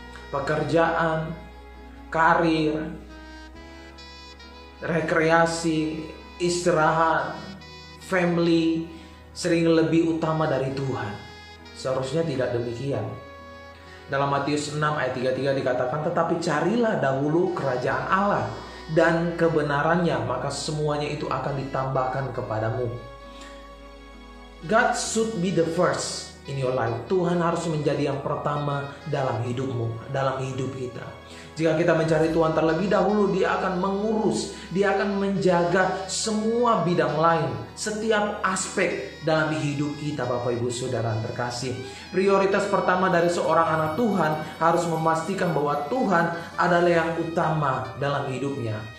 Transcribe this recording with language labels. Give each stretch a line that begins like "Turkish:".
Indonesian: Pekerjaan, karir, rekreasi, istirahat, family sering lebih utama dari Tuhan. Seharusnya tidak demikian. Dalam Matius 6 ayat 33 dikatakan, tetapi carilah dahulu kerajaan Allah dan kebenarannya, maka semuanya itu akan ditambahkan kepadamu.
English: God should be the first in your life.
Indonesian: Tuhan harus menjadi yang pertama dalam hidupmu, dalam hidup kita. Jika kita mencari Tuhan terlebih dahulu, Dia akan mengurus, Dia akan menjaga semua bidang lain, setiap aspek dalam hidup kita, Bapak Ibu Saudara yang terkasih. Prioritas pertama dari seorang anak Tuhan harus memastikan bahwa Tuhan adalah yang utama dalam hidupnya.